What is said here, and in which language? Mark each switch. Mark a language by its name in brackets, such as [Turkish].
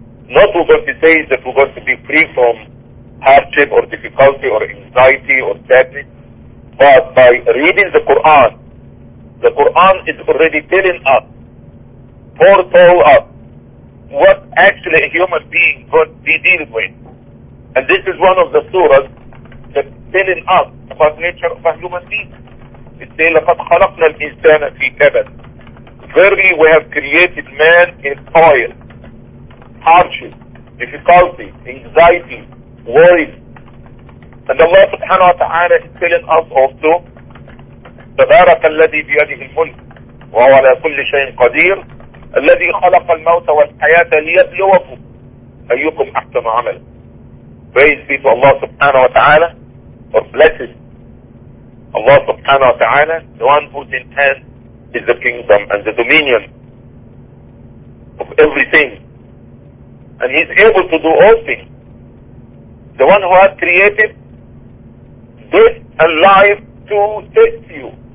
[English] Not we're going to say that we're going to be free from hardship or difficulty or anxiety or sadness, but by reading the Quran is already telling us, foretold us, what actually a human being is going to be dealing with. And this is one of the surahs that's telling us about the nature of a human being. It says, [Arabic] لَقَدْ خَلَقْنَا الْإِنسَانَ فِي كَبَدْ. [English] Verily, we have created man in toil, hardship, difficulty, anxiety, worries. And Allah subhanahu wa ta'ala is telling us also, [Arabic] تَبَارَكَ الَّذِي بِيَدِهِ الْمُلْكِ وَهُوَ عَلَى كُلِّ شَيْءٍ قَدِيرٍ الَّذِي خَلَقَ الْمَوْتَ وَالْحَيَاةَ لِيَبْلُوَكُمْ أَيُّكُمْ أَحْسَنُ عَمَلًا. [English] Praise be to Allah subhanahu wa ta'ala, or blessed Allah subhanahu wa ta'ala, the one who's in hand is the kingdom and the dominion of everything. And he's able to do all things. The one who has created death and life to test you.